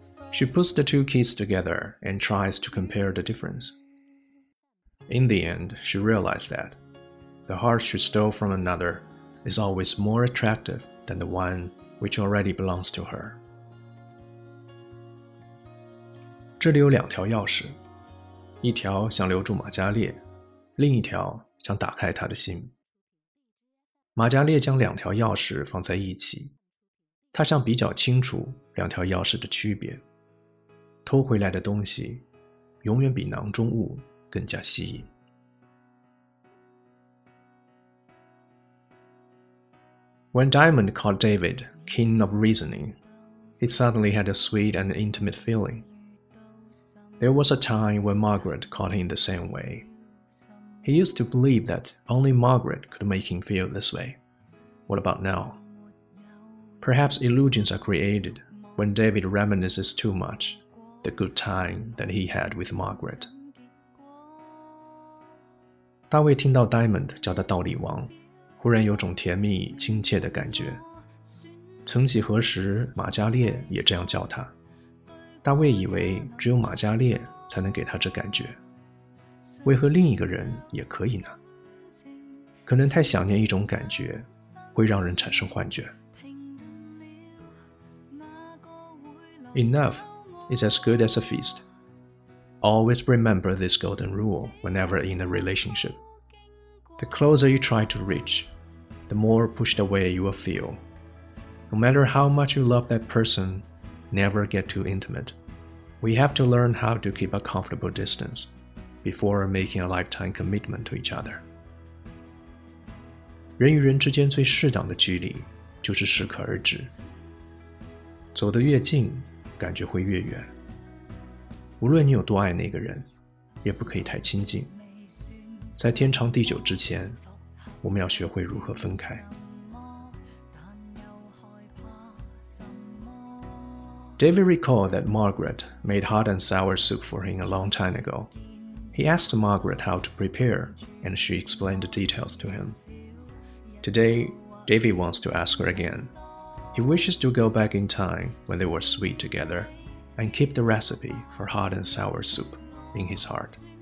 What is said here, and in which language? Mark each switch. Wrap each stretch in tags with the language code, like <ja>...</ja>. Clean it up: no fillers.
<en>She puts the two keys together and tries to compare the difference. In the end, she realized that the heart she stole from another is always more attractive than the one which already belongs to her.</en> <zh>这里有两条钥匙，一条想留住马加烈，另一条想打开他的心。马加烈将两条钥匙放在一起，他想比较清楚两条钥匙的区别。偷回来的东西永远比囊中物更加吸引。</zh> <en>When Diamond called David King of Reasoning, he suddenly had a sweet and intimate feeling. There was a time when Margaret caught him the same way. He used to believe that only Margaret could make him feel this way. What about now? Perhaps illusions are created when David reminisces too much the good time that he had with Margaret.</en> <zh>大卫听到 Diamond 叫他道理王，忽然有种甜蜜亲切的感觉。曾几何时，马加烈也这样叫他。大卫以为只有马加烈才能给他这感觉，为何另一个人也可以呢？可能太想念一种感觉，会让人产生幻觉。</zh> <en>Enough is as good as a feast. Always remember this golden rule whenever in a relationship. The closer you try to reach, the more pushed away you will feel. No matter how much you love that person, never get too intimate. We have to learn how to keep a comfortable distance before making a lifetime commitment to each other.</en> <zh>人与人之间最适当的距离就是适可而止。走得越近，感觉会越远。无论你有多爱那个人，也不可以太亲近。在天长地久之前，我们要学会如何分开。</zh> <en>David recalled that Margaret made hot and sour soup for him a long time ago. He asked Margaret how to prepare, and she explained the details to him. Today, David wants to ask her again. He wishes to go back in time when they were sweet together, and keep the recipe for hot and sour soup in his heart.</en>